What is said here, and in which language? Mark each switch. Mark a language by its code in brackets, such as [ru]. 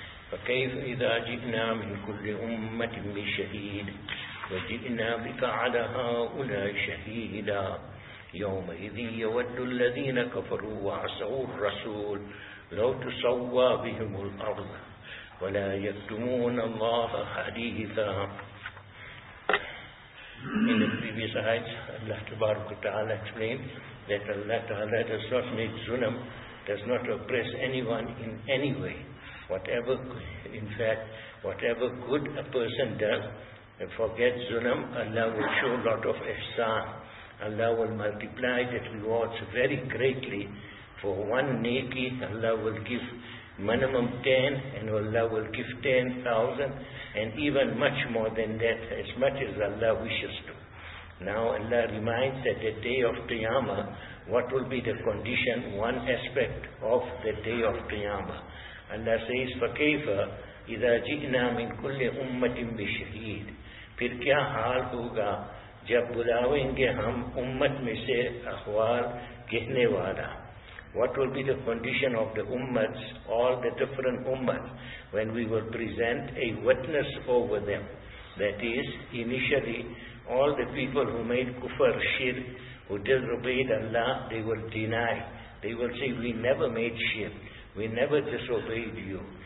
[ar] فكيف إذا جئنا من كل أمة بشهيد وجئنا بك على هؤلاء شهيدا. يومئذ يود الذين كفروا وعصوا الرسول لو تسوى بهم الأرض ولا يكتمون الله حديثا. [en] In the previous ayat, Allah Ta'ala explained that Allah Ta'ala does not make zulm, does not oppress anyone in any way. Whatever, in fact, whatever good a person does, forget zulm, Allah will show a lot of ihsan. Allah will multiply the rewards very greatly. For one neki, Allah will give minimum 10, and Allah will give 10,000, and even much more than that, as much as Allah wishes to. Now Allah reminds that the day of Qiyamah, what will be the condition, one aspect of the day of Qiyamah. Allah says, [ar] فَكَيْفَ إِذَا جِئْنَا مِنْ كُلِّ أُمَّةٍ بِشْهِيدٍ. [ur] پھر کیا حال ہوگا جب بلاویں گے ہم امت میں سے اخوار کہنے والا. [en] What will be the condition of the ummats, all the different ummats, when we will present a witness over them? That is, initially, all the people who made kufr, shirk, who disobeyed Allah, they will deny. They will say, we never made shirk. We never disobeyed you.